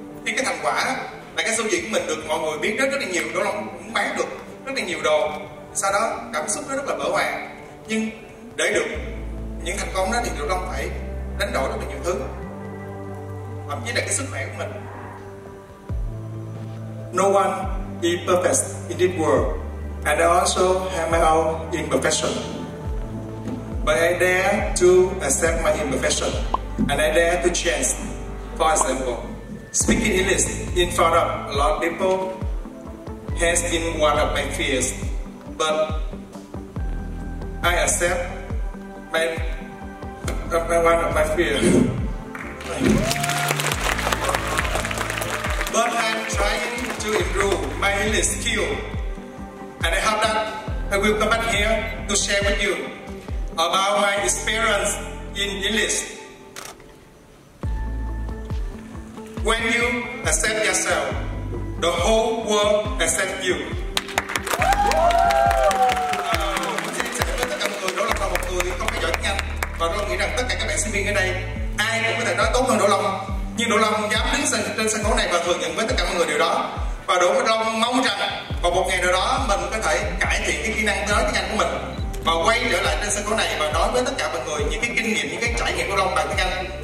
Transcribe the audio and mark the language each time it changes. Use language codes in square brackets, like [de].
[vi] Khi cái thành quả là cái show diễn của mình được mọi người biết rất rất là nhiều, Đỗ Long cũng bán được rất là nhiều đồ, sau đó cảm xúc nó rất là bỡ hòa. Nhưng để được những thành công đó thì Đỗ Long phải đánh đổi rất là nhiều thứ, thậm chí là cái sức khỏe của mình. [en] No one be perfect in this world, and I also have my own imperfection. But I dare to accept my imperfection, and I dare to change. For example, speaking English in front of a lot of people has been one of my fears, but I accept my one of my fears. But I'm trying to improve my English skill, and I hope that I will come back here to share with you about my experience in English. When you accept yourself, the whole world accepts you. [vi] Xin chào tất cả mọi người, đó là một người không phải giỏi tiếng Anh, và tôi nghĩ rằng tất cả các bạn sinh viên ở đây ai cũng có thể nói tốt hơn Đỗ Long, nhưng Đỗ Long dám đứng trên sân khấu này và thừa nhận với tất cả mọi người điều đó. Và Đỗ Long mong rằng vào một ngày nào đó mình có thể cải thiện cái kỹ năng nói tiếng Anh của mình và quay trở lại trên sân khấu này và nói với tất cả mọi người những cái kinh nghiệm, những cái trải nghiệm của Long bằng tiếng Anh.